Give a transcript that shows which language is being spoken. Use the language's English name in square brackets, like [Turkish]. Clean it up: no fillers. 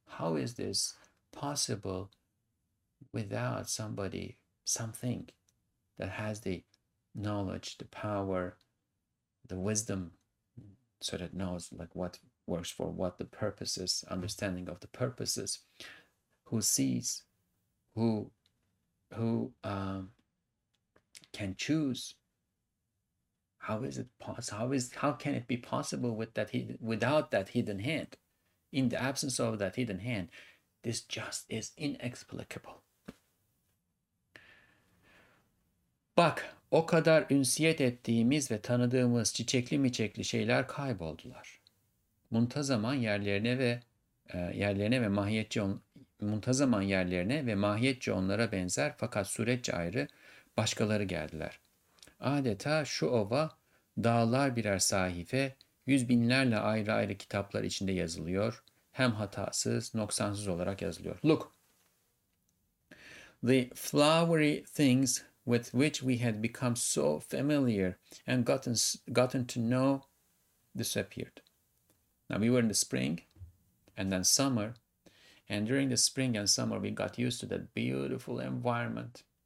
[English] How is this possible without somebody, something that has the knowledge, the power, the wisdom, so that knows like what works for what, the purposes, understanding of the purposes, who sees, who can choose? How is it possible? How can it be possible with that without that hidden hand? In the absence of that hidden hand, this just is inexplicable. [Turkish] Bak, o kadar ünsiyet ettiğimiz ve tanıdığımız çiçekli miçekli şeyler kayboldular. Muntazaman yerlerine ve mahiyetçe onlara benzer fakat süreççe ayrı başkaları geldiler. Adeta şu ova dağlar birer sahife, yüz binlerle ayrı ayrı kitaplar içinde yazılıyor, hem hatasız, noksansız olarak yazılıyor. [English] Look, the flowery things with which we had become so familiar and gotten to know disappeared. Now we were in the spring and then summer, and during the spring and summer we got used to that beautiful environment.